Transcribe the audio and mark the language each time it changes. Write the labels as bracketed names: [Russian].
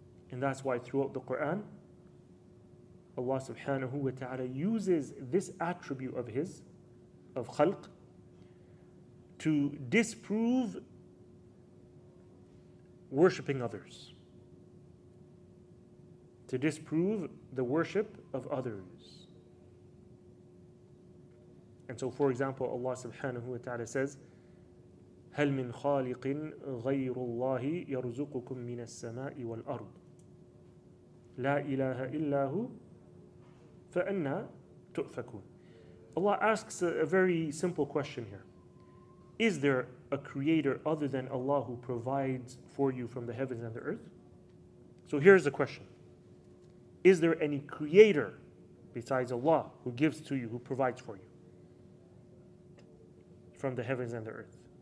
[English] And that's why throughout the Quran, Allah subhanahu wa ta'ala uses this attribute of His, of khalq, to disprove worshipping others, to disprove the worship of others. And so, for example, Allah subhanahu wa ta'ala says, [Arabic] هَلْ مِنْ خَالِقٍ غَيْرُ اللَّهِ يَرْزُقُكُمْ مِنَ السَّمَاءِ وَالْأَرْضِ لَا إِلَهَ إِلَّا هُوَ فَأَنَّا تُؤْفَكُونَ. [English] Allah asks a very simple question here. Is there a creator other than Allah who provides for you from the heavens and the earth? So here's the question. Is there any creator besides Allah who gives to you, who provides for you from the heavens and the earth?